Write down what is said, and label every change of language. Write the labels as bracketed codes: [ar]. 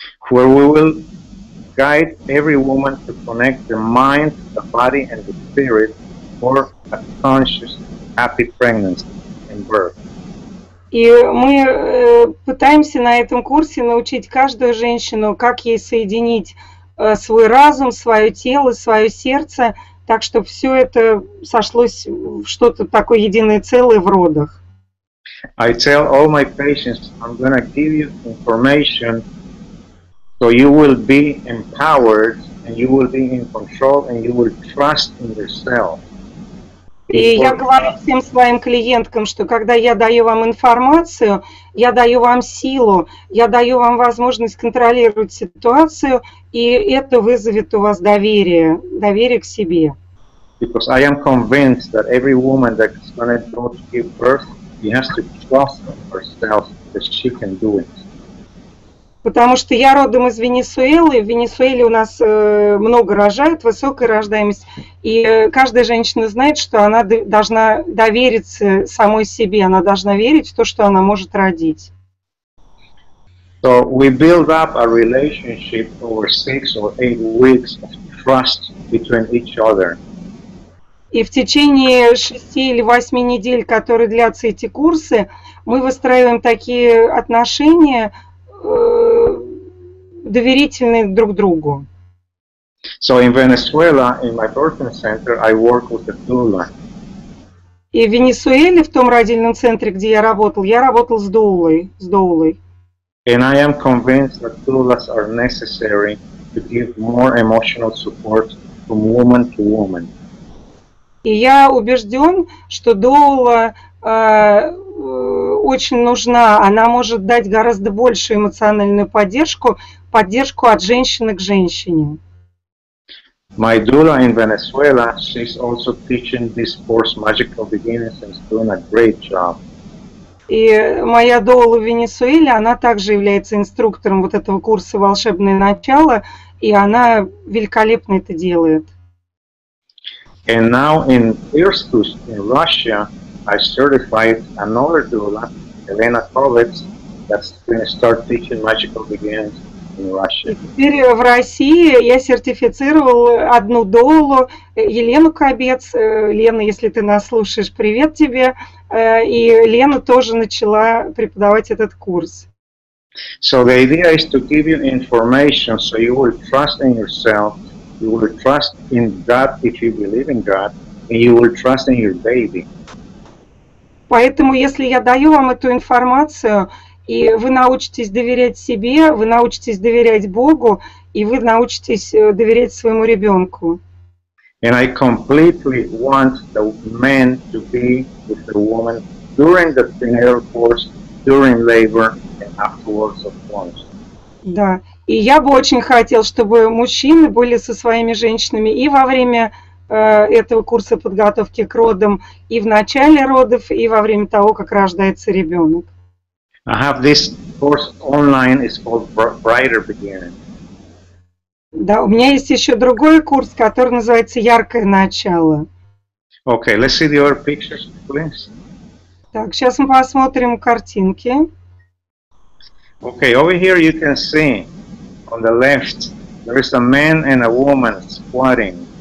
[en] Where we will guide every woman to connect the mind, the body, and the spirit for a conscious, happy pregnancy and birth. [ru] И мы пытаемся на этом курсе научить каждую женщину, как ей соединить свой разум, свое тело, свое сердце, так, чтобы все это сошлось в что-то такое единое целое в родах. [en] I tell all my patients, I'm going to give you information so you will be empowered and you will be in control and you will trust in yourself. [ru] И я говорю всем своим клиенткам, что когда я даю вам информацию, я даю вам силу, я даю вам возможность контролировать ситуацию, и это вызовет у вас доверие к себе. [en] Because I am convinced that every woman that is going to go to give birth, she has to trust herself that she can do it. [ru] Потому что я родом из Венесуэлы, в Венесуэле у нас много рожают, высокая рождаемость, и каждая женщина знает, что она должна довериться самой себе, она должна верить в то, что она может родить. [en] So we build up a relationship over 6 or 8 weeks of trust between each other. [ru] И в течение 6 или 8 недель, которые длятся эти курсы, мы выстраиваем такие отношения, доверительные друг другу. [en] So in Venezuela, in my birthing center, I work with a doula. [ru] И в Венесуэле, в том родильном центре, где я работал с доулой, [en] And I am convinced that doulas are necessary to give more emotional support from woman to woman. [ru] И я убежден, что доула очень нужна. Она может дать гораздо большую эмоциональную поддержку, поддержку от женщины к женщине. [en] My doula in Venezuela, she's also teaching this course Magical Beginnings and is doing a great job. [ru] И моя доула в Венесуэле, она также является инструктором вот этого курса «Волшебное начало», и она великолепно это делает. [en] And now in Irkutsk, in Russia, I certified another doula, Elena Kovets, that's going to start teaching Magical Beginnings. [ru] Теперь в России я сертифицировал одну доулу, Елену Кобец. Лена, если ты нас слушаешь, привет тебе. И Лена тоже начала преподавать этот курс. [en] So the idea is to give you information so you will trust in yourself, you will trust in God if you believe in God, and you will trust in your baby. [ru] Поэтому, если я даю вам эту информацию, и вы научитесь доверять себе, вы научитесь доверять Богу, и вы научитесь доверять своему ребенку. [en] And I completely want the man to be with the woman during the prenatal course, during labor, and afterwards, of course. [ru] Да, и я бы очень хотел, чтобы мужчины были со своими женщинами и во время этого курса подготовки к родам, и в начале родов, и во время того, как рождается ребенок. [en] I have this course online, it's called Brighter Beginning. [ru] Да, у меня есть еще другой курс, который называется «Яркое начало». [en] Okay, let's see the other pictures, please. [ru] Так, сейчас мы посмотрим картинки. [en] Okay, over here you can see, on the left, there is a man and a woman squatting.